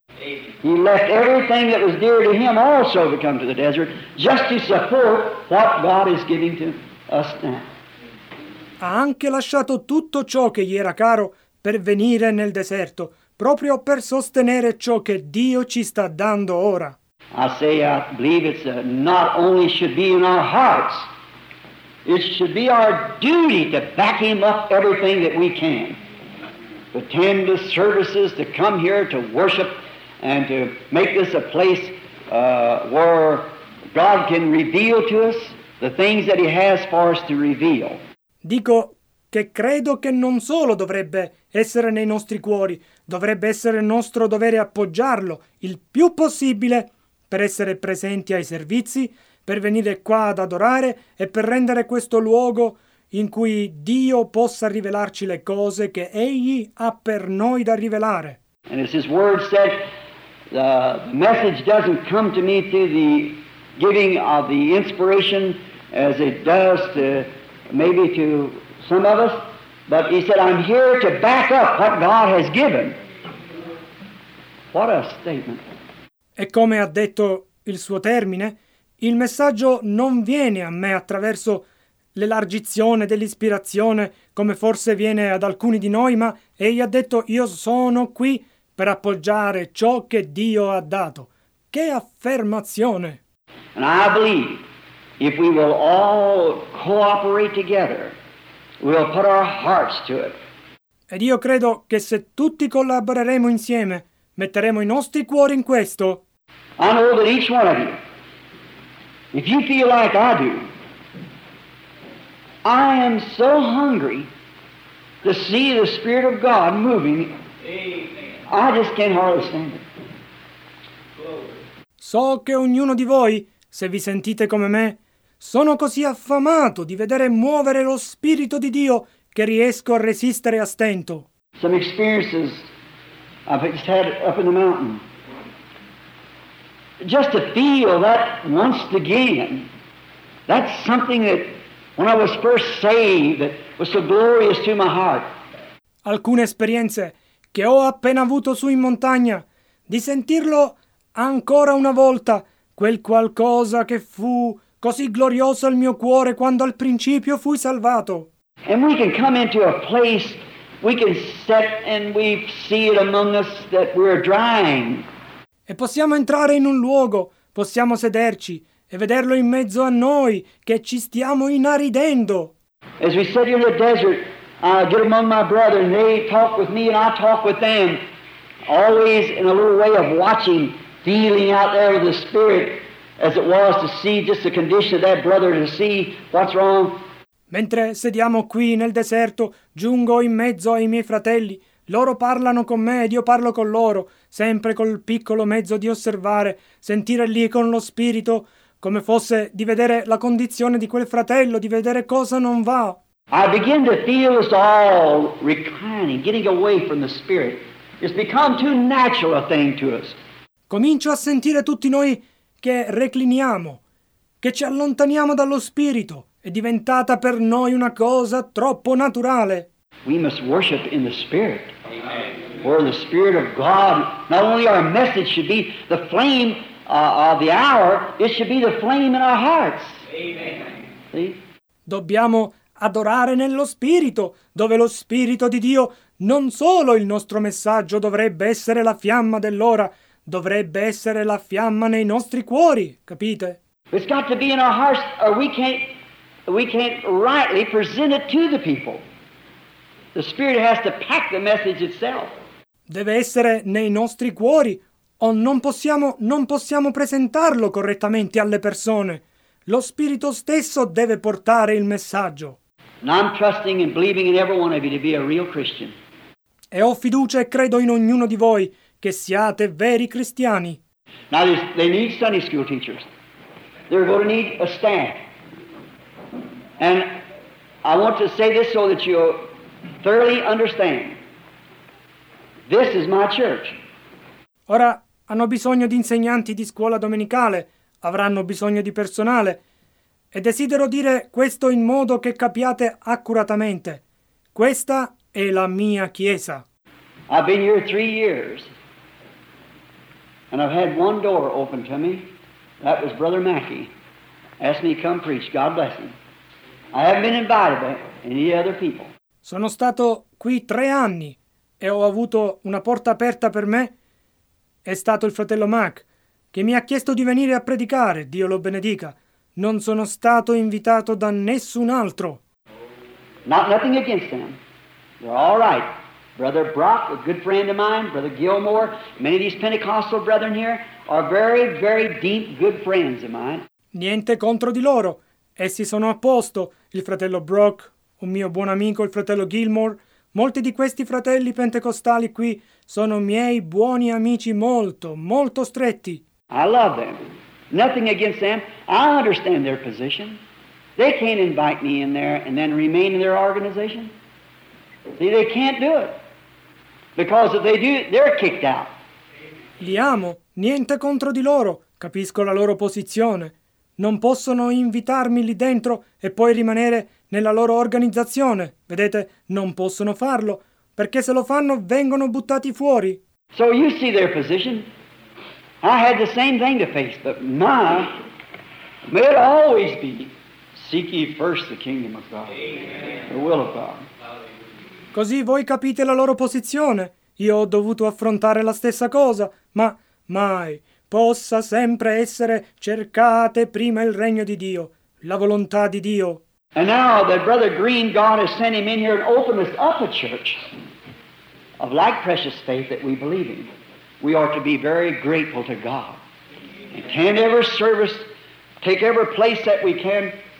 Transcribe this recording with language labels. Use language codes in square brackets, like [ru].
[en] He left everything that was dear to him also to come to the desert just to support what God is giving to us now. [it] Ha anche lasciato tutto ciò che gli era caro per venire nel deserto, proprio per sostenere ciò che Dio ci sta dando ora. [en] I say, I believe it's not only should be in our hearts, it should be our duty to back him up everything that we can. To attend the services, to come here to worship, and to make this a place where God can reveal to us the things that he has for us to reveal. [it] Dico che credo che non solo dovrebbe essere nei nostri cuori, dovrebbe essere nostro dovere appoggiarlo il più possibile per essere presenti ai servizi, per venire qua ad adorare e per rendere questo luogo in cui Dio possa rivelarci le cose che Egli ha per noi da rivelare. [en] And as his word said, the message doesn't come to me through the giving of the inspiration as it does to maybe to some of us, but he said, I'm here to back up what God has given. What a statement. [it] E come ha detto il suo termine, il messaggio non viene a me attraverso l'elargizione dell'ispirazione, come forse viene ad alcuni di noi, ma egli ha detto, io sono qui per appoggiare ciò che Dio ha dato. Che affermazione! [en] And I believe, if we will all cooperate together, we'll put our hearts to it. [it] Ed io credo che se tutti collaboreremo insieme, metteremo i nostri cuori in questo. [en] I know that each one of you, if you feel like I do, I am so hungry to see the Spirit of God moving. Amen. I just can't hardly stand it. [it] So che ognuno di voi, se vi sentite come me, sono così affamato di vedere muovere lo Spirito di Dio che riesco a resistere a stento. [en] Some experiences I've just had up in the mountain. Just to feel that once again, that's something that when I was first saved that was so glorious to my heart. [it] Alcune esperienze che ho appena avuto su in montagna, di sentirlo ancora una volta, quel qualcosa che fu così glorioso al mio cuore quando al principio fui salvato. [en] And we can come into a place, we can sit and we see it among us that we're drying. [it] E possiamo entrare in un luogo, possiamo sederci e vederlo in mezzo a noi che ci stiamo inaridendo. [en] As we sit here in the desert, I get among my brethren, they talk with me and I talk with them, always in a little way of watching, feeling out there with the Spirit. As it was to see just the condition of that brother, to see what's wrong. [it] Mentre sediamo qui nel deserto, giungo in mezzo ai miei fratelli. Loro parlano con me ed io parlo con loro, sempre col piccolo mezzo di osservare, sentire lì con lo spirito, come fosse di vedere la condizione di quel fratello, di vedere cosa non va. [en] I begin to feel us all reclining, getting away from the Spirit. It's become too natural a thing to us. [it] Comincio a sentire tutti noi che recliniamo, che ci allontaniamo dallo Spirito, è diventata per noi una cosa troppo naturale. [en] We must worship in the Spirit. Amen. For the Spirit of God, not only our message should be the flame of the hour, it should be the flame in our hearts. Amen. See? [it] Dobbiamo adorare nello Spirito, dove lo Spirito di Dio, non solo il nostro messaggio dovrebbe essere la fiamma dell'ora, dovrebbe essere la fiamma nei nostri cuori, capite? [en] It's got to be in our hearts or we can't we can't rightly present it to the people. The Spirit has to pack the message itself. [it] Deve essere nei nostri cuori, o non possiamo presentarlo correttamente alle persone. Lo Spirito stesso deve portare il messaggio. [en] Now I'm trusting and believing in every one of you to be a real Christian. [it] E ho fiducia e credo in ognuno di voi che siate veri cristiani. [en] Now they need Sunday school teachers. They're going to need a staff. And I want to say this so that you thoroughly understand. This is my church. [it] Ora hanno bisogno di insegnanti di scuola domenicale, avranno bisogno di personale. E desidero dire questo in modo che capiate accuratamente. Questa è la mia chiesa. [en] I've been here 3 years and I've had one door open to me. That was Brother Mackey. Asked me to come preach. God bless him. I haven't been invited by any other people. [it] Sono stato qui 3 anni e ho avuto una porta aperta per me. È stato il fratello Mack che mi ha chiesto di venire a predicare. Dio lo benedica. Non sono stato invitato da nessun altro. [en] Not nothing against them. They're all right. Brother Brock, a good friend of mine, Brother Gilmore, many of these Pentecostal brethren here are very, very deep, good friends of mine. [it] Niente contro di loro. Essi sono a posto. Il fratello Brock, un mio buon amico, il fratello Gilmore. Molti di questi fratelli pentecostali qui sono miei buoni amici molto, molto stretti. [en] I love them. Nothing against them. I understand their position. They can't invite me in there and then remain in their organization. See, they can't do it. Because if they do, they're kicked out. [it] Li amo. Niente contro di loro. Capisco la loro posizione. Non possono invitarmi lì dentro e poi rimanere nella loro organizzazione. Vedete, non possono farlo. Perché se lo fanno, vengono buttati fuori. [en] So you see their position. I had the same thing to face, but my, may it always be, seek ye first the kingdom of God, the will of God. [it] Così voi capite la loro posizione. Io ho dovuto affrontare la stessa cosa, ma mai possa sempre essere cercate prima il regno di Dio, la volontà di Dio. [en] And now that Brother Green, God has sent him in here to open us up a church of like precious faith that we believe in. We are to be very grateful to God. Attend every service, take every place that we can.